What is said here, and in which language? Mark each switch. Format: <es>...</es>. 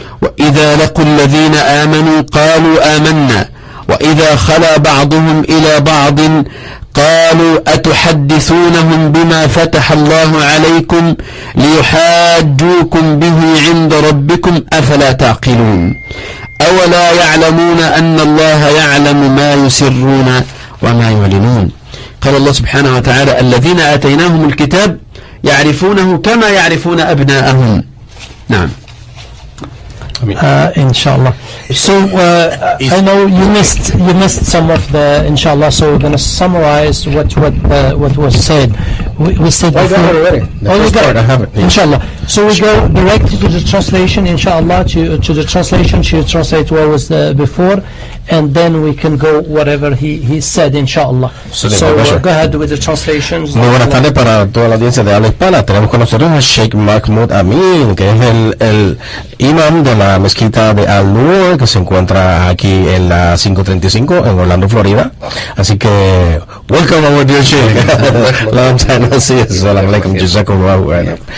<ar>وإذا لقوا الذين آمنوا قالوا آمنا، وإذا خلا بعضهم إلى بعض قالوا أتحدثونهم بما فتح الله عليكم ليحاجوكم به عند ربكم أفلا تعقلون أولا يعلمون أن الله يعلم ما يسرون وما يعلنون. قال الله سبحانه وتعالى الذين آتيناهم الكتاب يعرفونه كما يعرفون أبناءهم. نعم. Inshallah.</ar> <en>So I know you missed some of the inshallah. So we're gonna summarize what was said. We said before. Got it already. Oh, you got it. I have it. Inshallah. So we go directly to the translation. Inshallah, to the translation. She translate what was the before, and then we can go whatever he said. Inshallah. So go ahead with the translations.</en> <es>Muy buenas tardes para toda la audiencia de habla hispana. Tenemos con nosotros a Sheikh Mahmoud Amin, que es el imam de la mezquita de Al-Nur, que se encuentra aquí en la 535 en Orlando, Florida. Así que</es> <en>welcome our dear Sheikh. Long time no see.</en> <ar>Assalamu alaikum. Jazakum Allah.</ar> <es>Bueno.</es>